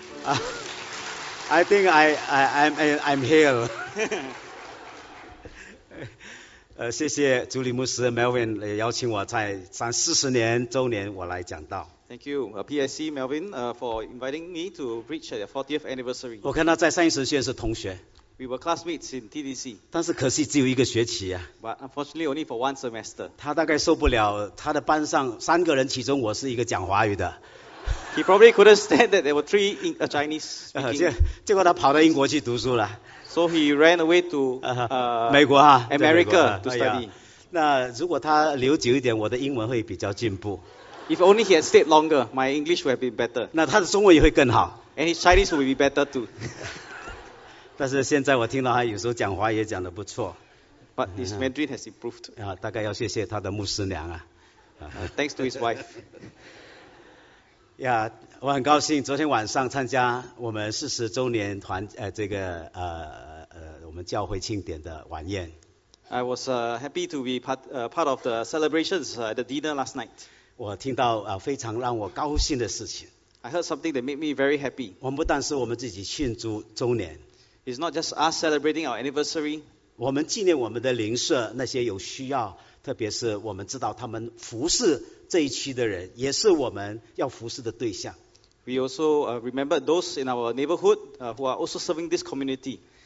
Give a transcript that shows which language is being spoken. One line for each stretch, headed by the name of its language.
English: I think I'm healed.
Chinese: 谢谢朱里牧师 Melvin 邀请我在40年周年我来讲道。
English: Thank you, PIC Melvin, for inviting me to preach at the 40th anniversary.
Chinese: 我看到在三一神学院是同学。
English: We were classmates in TDC.
Chinese: 但是可惜只有一个学期啊。
English: But unfortunately, only for one semester.
Chinese: 他大概受不了，他的班上三个人，其中我是一个讲华语的。
English: He probably couldn't stand that there were three Chinese speaking.
Chinese: 结果他跑到英国去读书了。
English: So he ran away to
Chinese: 美国啊
English: ，America to study.、哎、
Chinese: 那如果他留久一点，我的英文会比较进步。
English: If only he had stayed longer, my English would have been better.
Chinese: 那他的中文也会更好。
English: And his Chinese would be better too.
Chinese: 但是现在我听到他有时候讲话也讲得不错。
English: But his Mandarin has improved.
Chinese: 啊，大概要谢谢他的牧师娘啊。
English: Thanks to his wife.
Chinese: 呀，我很高兴昨天晚上参加我们40周年团这个我们教会庆典的晚宴。
English: I was happy to be part of the celebrations at the dinner last night.
Chinese: 我听到非常让我高兴的事情。
English: I heard something that made me very happy.
Chinese: 我们不但是我们自己庆祝周年。
English: It's not just us celebrating our anniversary.
Chinese: 我们纪念我们的邻舍，那些有需要，特别是我们知道他们服侍这一区的人，也是我们要服侍的对象。
English: We also remember those in our neighborhood who are also serving this community.